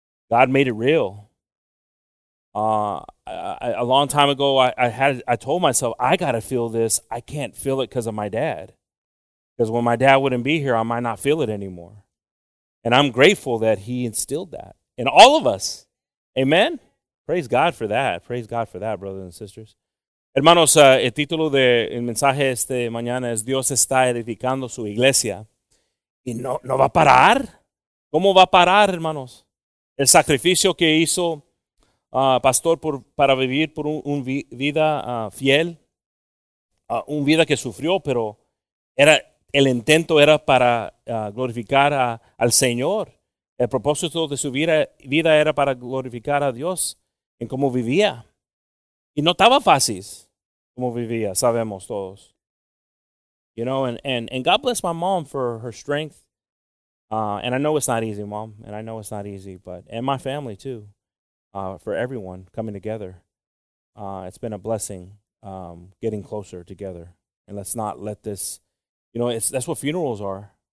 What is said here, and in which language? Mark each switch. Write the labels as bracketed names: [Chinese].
[English] God made it real. A long time ago, I told myself, I got to feel this. I can't feel it because of my dad. Because when my dad wouldn't be here, I might not feel it anymore. And I'm grateful that he instilled that in all of us. Amen? Praise God for that. Praise God for that, brothers and sisters. [Spanish] Hermanos, el título del mensaje este mañana es Dios está edificando su iglesia. ¿Y no va a parar? ¿Cómo va a parar, hermanos? El sacrificio que hizo Pastor para vivir por una vida fiel, una vida que sufrió, pero era el intento era para glorificar al Señor. El propósito de su vida era para glorificar a Dios en cómo vivía. Y no estaba fácil como vivía, sabemos todos. [English] You know, and God bless my mom for her strength. And I know it's not easy, Mom. And I know it's not easy, but, and my family too, for everyone coming together. It's been a blessing getting closer together. And let's not let this, you know, that's what funerals are.